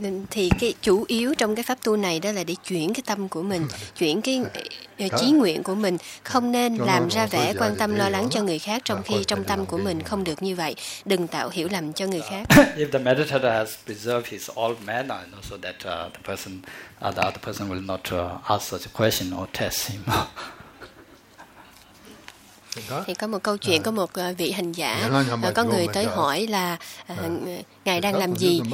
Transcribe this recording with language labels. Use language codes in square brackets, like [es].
[vi] Thì cái chủ yếu trong cái pháp tu này đó là để chuyển cái tâm của mình, chuyển cái chí nguyện của mình, không nên làm ra vẻ quan tâm lo lắng cho người khác trong khi trong tâm của mình không được như vậy. Đừng tạo hiểu lầm cho người khác. [en] If the meditator has preserved his old manner, you know, so that the person, the other person will not ask such a question or test him. [vi] Thì có một câu chuyện, có một vị hành giả, có người tới hỏi là Ngài đang làm gì?